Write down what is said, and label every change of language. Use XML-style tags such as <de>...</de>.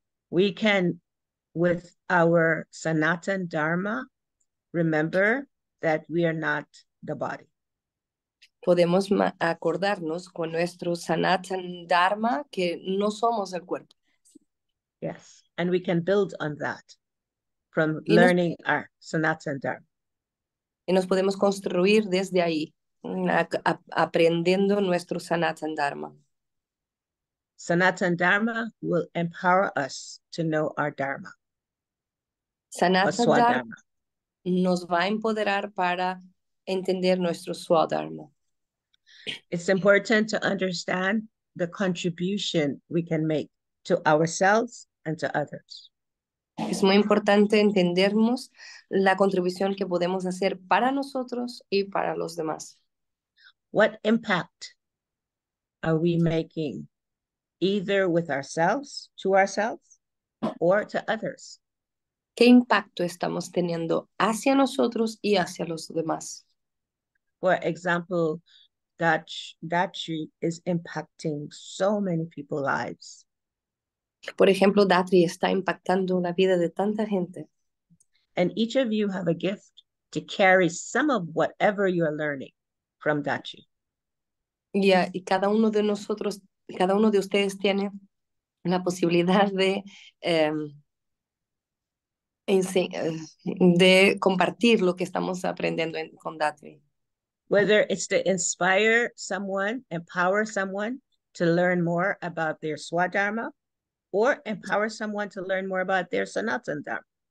<en>We can, with our Sanatan Dharma, remember that we are not the body.</en> <es>Podemos acordarnos con nuestro Sanatan Dharma que no somos el cuerpo.</es> <en>Yes, and we can build on that from learning our Sanatan Dharma.</en> <es>Y nos podemos construir desde ahí, aprendiendo nuestro Sanatan Dharma.</es> <en>Sanatan Dharma will empower us to know our Dharma.</en> <es>Sanatan Dharma nos va a empoderar para entender nuestro Swadharma.</es> <en>It's important to understand the contribution we can make to ourselves and to others.</en> <es>Es muy importante entendernos la contribución que podemos hacer para nosotros y para los demás.</es> <en>What impact are we making either with ourselves, to ourselves, or to others?</en> <es>¿Qué impacto estamos teniendo hacia nosotros y hacia los demás?</es> <en>For example, Dasi is impacting so many people's lives.</en> <es>Por ejemplo, Dasi está impactando la vida de tanta gente.</es> <en>And each of you have a gift to carry some of whatever you are learning from Dasi.</en> <es>Yeah, y cada uno de nosotros, cada uno de ustedes tiene la posibilidad de de compartir lo que estamos aprendiendo con Dasi.</es> <en>Whether it's to inspire someone, empower someone to learn more about their Swadharma, or empower someone to learn more about their Sanatan Dharma.</en>